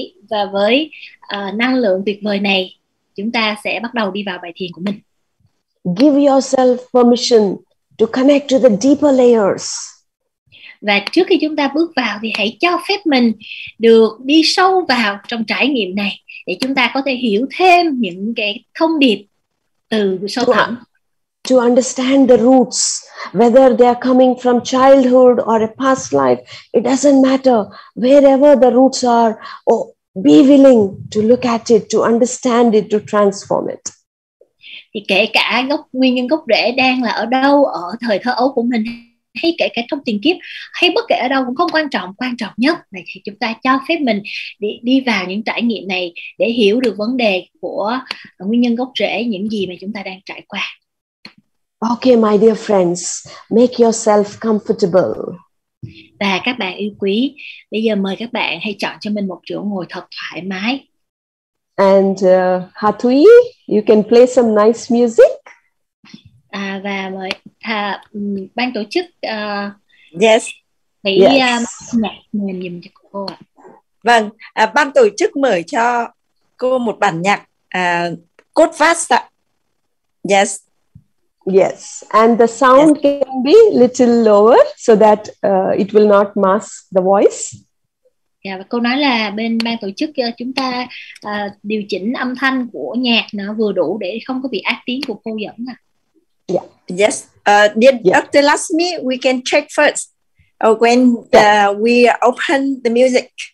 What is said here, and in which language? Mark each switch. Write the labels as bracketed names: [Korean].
[Vietnamese] Và với năng lượng tuyệt vời này, chúng ta sẽ bắt đầu đi vào bài thiền của mình. [English] Give yourself permission to connect to the deeper layers. [Vietnamese] Và trước khi chúng ta bước vào thì hãy cho phép mình được đi sâu vào trong trải nghiệm này để chúng ta có thể hiểu thêm những cái thông điệp từ sâu thẳm. [English] To understand the roots, whether they are coming from childhood or a past life, it doesn't matter. Wherever the roots are, be willing to look at it, to understand it, to transform it. [Vietnamese] Thì kể cả gốc nguyên nhân gốc rễ đang là ở đâu, ở thời thơ ấu của mình, hay kể cả trong tiền kiếp, hay bất kể ở đâu cũng không quan trọng. Quan trọng nhất là chúng ta cho phép mình đi vào những trải nghiệm này để hiểu được vấn đề của nguyên nhân gốc rễ, những gì mà chúng ta đang trải qua. [English] Okay, my dear friends, make yourself comfortable. [Vietnamese] Và các bạn yêu quý, bây giờ mời các bạn hãy chọn cho mình một chỗ ngồi thật thoải mái. [English] And Hà Thúy, you can play some nice music. [Vietnamese] Và mời ban tổ chức yes. hãy yes. Nhạc mềm dùm cho cô. Vâng, ban tổ chức mời cho cô một bản nhạc cốt phát ạ. Yes. [English] Yes, and the sound yes. can be little lower so that it will not mask the voice. [Vietnamese] Yeah, và cô nói là bên ban tổ chức chúng ta điều chỉnh âm thanh của nhạc nó vừa đủ để không có bị át tiếng của cô dẫn à. Yeah. Yes. Yeah. Dr. [English] Lakshmi, we can check first when we open the music.